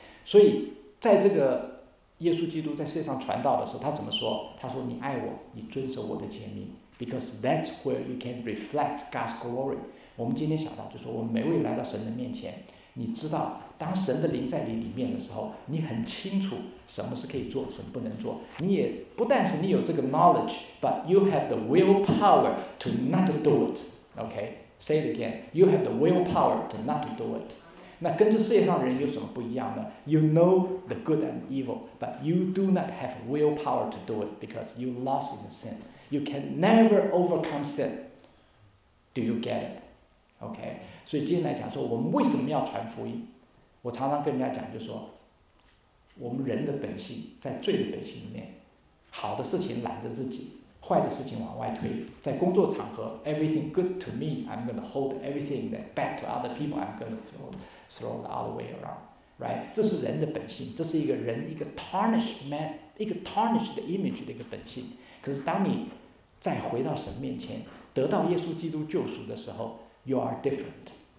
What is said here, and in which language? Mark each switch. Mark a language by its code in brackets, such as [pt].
[zh] 所以在这个耶稣基督在世上传道的时候，他怎么说？他说你爱我，你遵守我的诫命， [en] because that's where you can reflect God's glory. [zh] 我们今天想到就是我们每位来到神的面前，你知道当神的灵在你里面的时候，你很清楚什么是可以做，什么不能做。你也不但是你有这个 [en] knowledge, but you have the willpower to not do it. OK, say it again. You have the willpower to not do it. [zh] 那跟这世界上的人有什么不一样呢？ [en] You know the good and evil, but you do not have willpower to do it because you lost in sin. You can never overcome sin. Do you get it? [zh] OK， 所以今天来讲说我们为什么要传福音，我常常跟人家讲，就是说我们人的本性在罪的本性里面，好的事情揽着自己，坏的事情往外推。在工作场合 [en] everything good to me I'm going to hold, everything that bad to other people I'm going to throw the other way around, right? [zh] 这是人的本性，这是一个人一个 tarnished man 一个 tarnished image 的一个本性。可是当你再回到神面前，得到耶稣基督救赎的时候， [en] You are different.